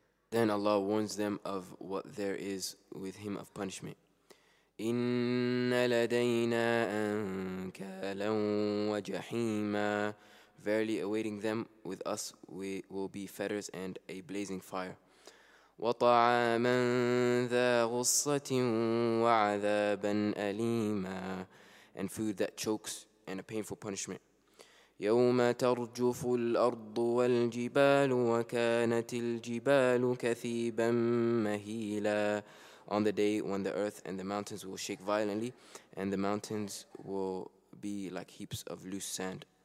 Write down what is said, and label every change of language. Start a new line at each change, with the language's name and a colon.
English: Then Allah warns them of what there is with Him of punishment.
Arabic: إِنَّ لَدَيْنَا أَنْكَالًا وَجَحِيمًا.
English: Verily awaiting them with us will be fetters and a blazing fire.
Arabic: وَطَعَامًا ذَا غُصَّةٍ وَعَذَابًا أَلِيمًا.
English: And food that chokes and a painful punishment.
Arabic: يَوْمَ تَرْجُفُ الْأَرْضُ وَالْجِبَالُ وَكَانَتِ الْجِبَالُ كَثِيبًا مَهِيلًا.
English: On the day when the earth and the mountains will shake violently, and the mountains will be like heaps of loose sand.